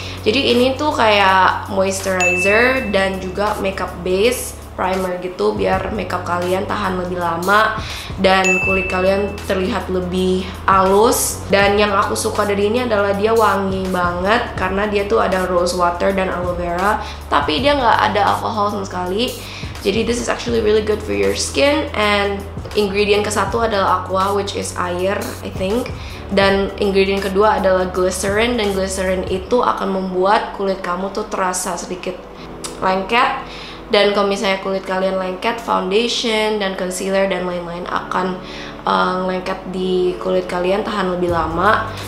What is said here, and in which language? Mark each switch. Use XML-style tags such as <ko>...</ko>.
<id>Jadi ini tuh kayak moisturizer dan juga makeup base primer gitu, biar makeup kalian tahan lebih lama dan kulit kalian terlihat lebih halus. Dan yang aku suka dari ini adalah dia wangi banget karena dia tuh ada rose water dan aloe vera, tapi dia nggak ada alkohol sama sekali.</id> <en>Jadi this is actually really good for your skin. And ingredient</en> <id>kesatu adalah</id> <en>aqua, which is air, I think.</en> <id>Dan ingredient kedua adalah glycerin, dan glycerin itu akan membuat kulit kamu tuh terasa sedikit lengket. Dan kalau misalnya kulit kalian lengket, foundation dan concealer dan lain-lain akan lengket di kulit kalian, tahan lebih lama.</id>